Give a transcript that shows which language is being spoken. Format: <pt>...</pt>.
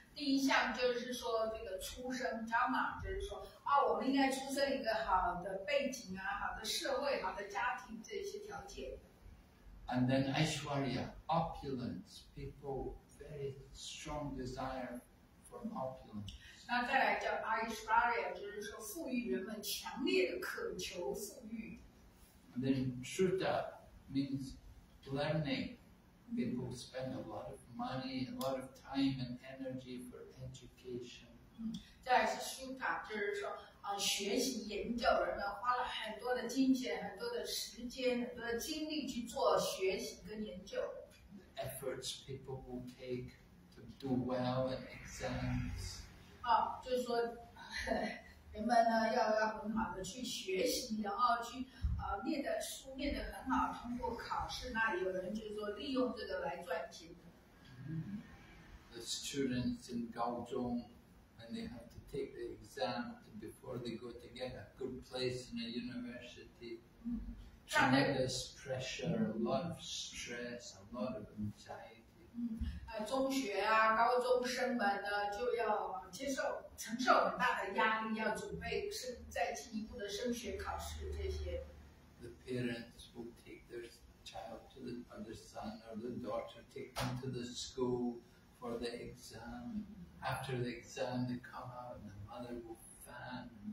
<zh>第一项就是说这个出生 Janma, 就是说我们应该出生一个好的背景啊，好的社会，好的家庭，这些条件。</zh> <en>And then Aishwarya, opulence, people very strong desire for opulence.</en> <zh>那再来叫 Aishwarya, 就是说富裕，人们强烈的渴求富裕。</zh> <en>And then Shruta means learning. People spend a lot of money, a lot of time and energy for education.</en> <zh>再来是 Shruta, 就是说学习研究，人们花了很多的金钱，很多的时间，很多的精力去做学习跟研究。</zh> <en>The efforts people will take to do well in exams.</en> <zh>就是说人们呢要很好的去学习，然后去念的书念得很好，通过考试。那有人就是说利用这个来赚钱的。</zh> <en>The students in</en> <zh>高中</zh> <en>when they have to take the exam. Before they go to get a good place in a university, tremendous pressure, a lot of stress, a lot of anxiety.</en> <zh>中学啊高中生们呢就要接受承受很大的压力，要准备升再进一步的升学考试这些。</zh> <en>The parents will take their child to the, or the son or the daughter, take them to the school for the exam. After the exam, they come out and the mother will fan.</en>